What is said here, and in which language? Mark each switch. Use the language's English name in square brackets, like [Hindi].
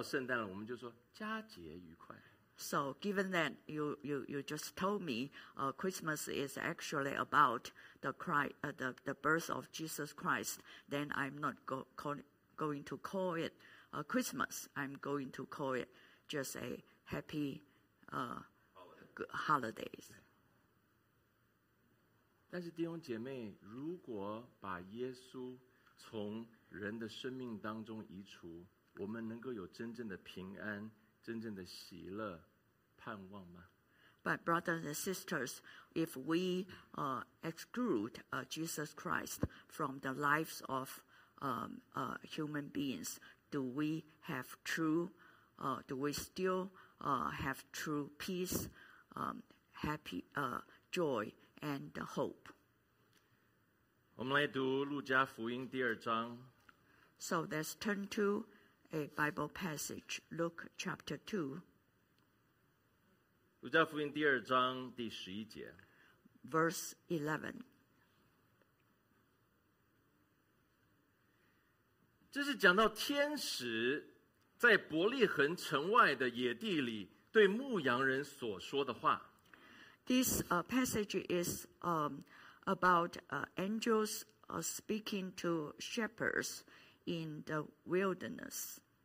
[Chinese] 既然你跟我说圣诞跟耶稣有关，我不叫圣诞了，我们就说佳节愉快。So [English] given that you just told me Christmas is actually about the birth of Jesus Christ, then I'm not going to call it Christmas. I'm going to call it just a happy holidays. [Chinese] 但是弟兄姐妹，如果把耶稣从人的生命当中移除，我们能够有真正的平安、真正的喜乐、盼望吗？ [English] But brothers and sisters, if we exclude Jesus Christ from the lives of human beings, do we have true, do we still have true peace, happy, joy, and hope? [Chinese] 我们来读路加福音第二章。 [English] So let's turn to a Bible passage, Luke chapter 2. [Chinese] 路加福音第二章第十一节。 [English] Verse 11. [Chinese] 这是讲到天使在伯利恒城外的野地里对牧羊人所说的话。 [English] This passage is about angels speaking to shepherds in the wilderness.